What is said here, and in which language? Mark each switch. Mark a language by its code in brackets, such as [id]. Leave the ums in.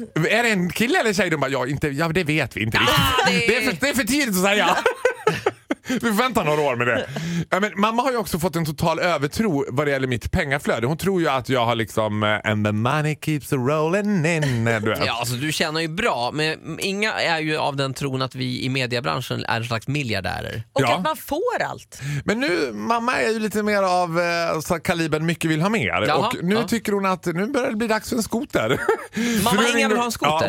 [sv] Är det en kille eller tjej? De bara, ja, inte, ja det vet vi inte riktigt. Ja, det, är för, det är för tidigt att säga. Ja. Vi väntar några år med det. Men, mamma har ju också fått en total övertro vad det gäller mitt pengaflöde. Hon tror ju att jag har liksom... [en] And the money keeps rolling in. [sv] Du, vet. ja, alltså, du tjänar ju bra, men inga är ju av den tron att vi i mediebranschen är en slags miljardärer. Och ja. att man får allt. Men nu, mamma är ju lite mer av så alltså, att kalibern mycket vill ha mer. Jaha, Och nu ja. tycker hon att nu börjar det bli dags för en skoter. Mm. Mamma, inga vill du, ha en skoter.